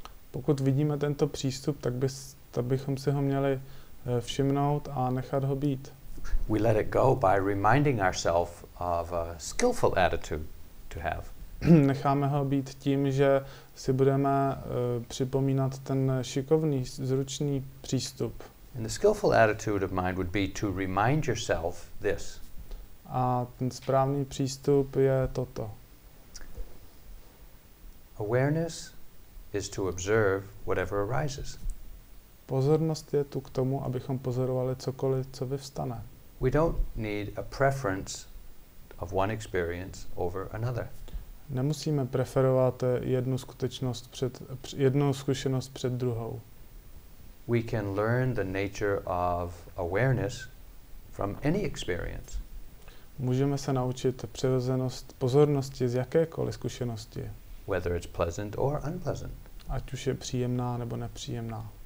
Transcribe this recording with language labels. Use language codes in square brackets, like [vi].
[cs] Pokud vidíme tento přístup, tak bychom si ho měli všimnout a nechat ho být. [en] We let it go by reminding ourselves of a skillful attitude to have. [cs] Necháme ho být tím, že si budeme připomínat ten šikovný, zručný přístup. [en] And the skillful attitude of mind would be to remind yourself this. [cs] A ten správný přístup je toto. [en] Awareness is to observe whatever arises. [cs] Pozornost je tu k tomu, abychom pozorovali cokoliv, co vyvstane. [en] We don't need a preference of one experience over another. [cs] Nemusíme preferovat jednu skutečnost před jednu zkušenost před druhou. [en] We can learn the nature of awareness from any experience. [cs] Můžeme se naučit přirozenost pozornosti z jakékoliv zkušenosti. [en] Whether it's pleasant or unpleasant. [cs] Ať už je příjemná nebo nepříjemná.